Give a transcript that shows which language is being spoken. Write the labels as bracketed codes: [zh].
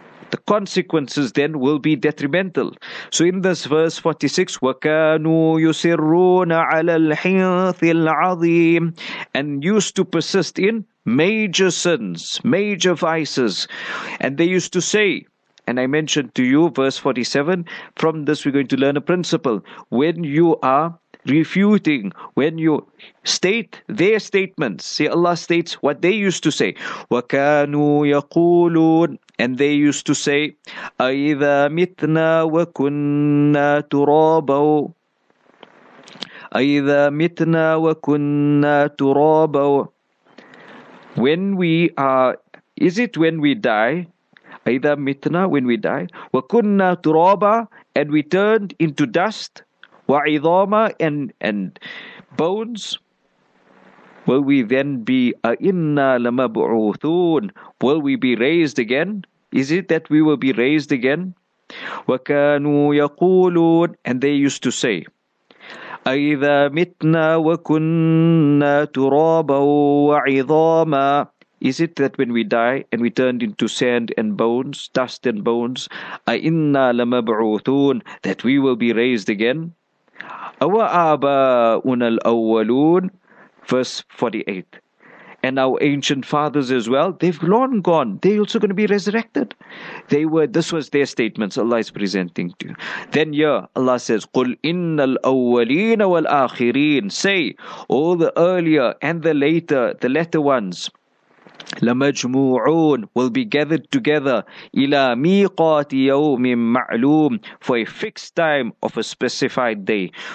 [en] The consequences then will be detrimental. So in this verse 46, [ar] وَكَانُوا يُسِرُّونَ عَلَى الْحِنْثِ الْعَظِيمِ, [en] and used to persist in major sins, major vices. And they used to say, and I mentioned to you, verse 47, from this we're going to learn a principle. When you are refuting, when you state their statements, see Allah states what they used to say. [ar] وَكَانُوا يَقُولُونَ, [en] and they used to say, [ar] أَيْذَا مِتْنَا وَكُنَّا تُرَابَوْا, أَيْذَا مِتْنَا وَكُنَّا تُرَابَوْا. [en] When we are, is it when we die? [ar] Either mitna, [en] when we die, [ar] wa kunna turaba, [en] and we turned into dust, [ar] wa idhama, [en] and bones, will we then be [ar] inna lamab'uthun, [en] will we be raised again? Is it that we will be raised again? [ar] Wa kanu yaqulun, [en] and they used to say, [ar] either mitna wa kunna turaba wa idhama. [en] Is it that when we die and we turned into sand and bones, dust and bones, [ar] أَإِنَّا لَمَبْعُوثُونَ, [en] that we will be raised again? [ar] أَوَآبَاؤُنَا الْأَوَّلُونَ, [en] verse 48. And our ancient fathers as well, they've long gone. They're also going to be resurrected. This was their statements Allah is presenting to you. Then yeah, Allah says, [ar] قُلْ إِنَّ الْأَوَّلِينَ وَالْآخِرِينَ, [en] say, all the earlier and the later, the latter ones, [ar] لمجموعون, [en] will be gathered together, [ar] إلى ميقات يوم معلوم, [en] for a fixed time of a specified day.